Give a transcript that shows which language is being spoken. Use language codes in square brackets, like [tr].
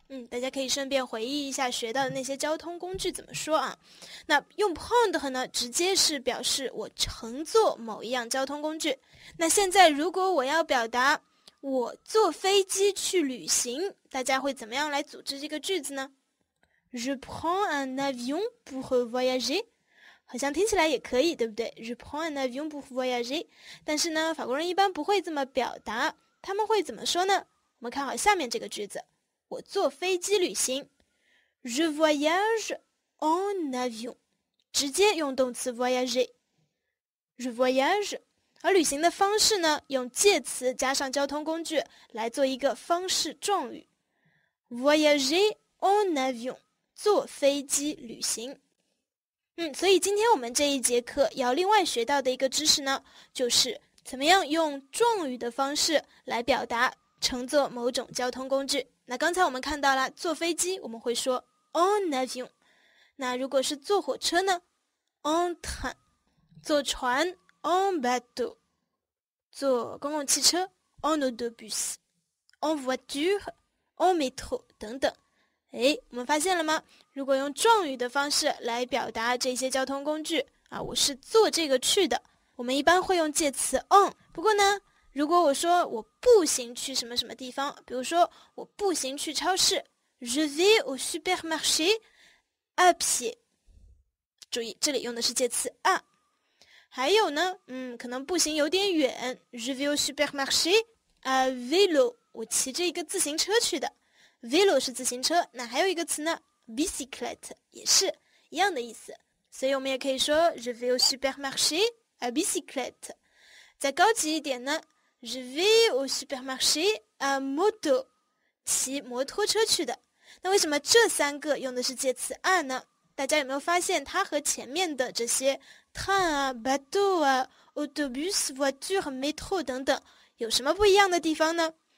[zh] 大家可以顺便回忆一下学到的那些交通工具怎么说啊。那用 prendre 呢，直接是表示我乘坐某一样交通工具。那现在如果我要表达我坐飞机去旅行，大家会怎么样来组织这个句子呢？ [fr] Je prends un avion pour voyager， [zh] 好像听起来也可以，对不对？ [fr] Je prends un avion pour voyager。 [zh] 但是呢，法国人一般不会这么表达，他们会怎么说呢？我们看好下面这个句子，我坐飞机旅行。 [fr] Je voyage en avion， [zh] 直接用动词 [fr] voyager。 Je voyage， [zh] 而旅行的方式呢，用介词加上交通工具来做一个方式状语。 [fr] Voyager en avion， [zh] 坐飞机旅行。所以今天我们这一节课要另外学到的一个知识呢，就是怎么样用状语的方式来表达乘坐某种交通工具。那刚才我们看到了坐飞机我们会说 [fr] en avion， [zh] 那如果是坐火车呢？ [fr] en train， [zh] 坐船 [fr] en bateau， [zh] 坐公共汽车 [fr] en autobus， en voiture， [zh] 阿弥陀等等。哎，我们发现了吗？如果用状语的方式来表达这些交通工具啊，我是坐这个去的，我们一般会用介词 on。不过呢，如果我说我步行去什么什么地方，比如说我步行去超市， [fr] Je vais au supermarché à pied， [zh] 注意这里用的是介词 à。还有呢，可能步行有点远， [fr] Je vais au supermarché à vélo， [zh] 我骑着一个自行车去的。 Vélo 是自行车，那还有一个词呢， bicyclette， 也是一样的意思。所以我们也可以说 [fr] Je vais au supermarché à bicyclette。 [zh] 再高级一点呢， [fr] Je vais au supermarché à moto， [zh] 骑摩托车去的。那为什么这三个用的是介词 à 呢？大家有没有发现它和前面的这些 train 啊、bateau 啊、autobus、voiture、métro 等等有什么不一样的地方呢？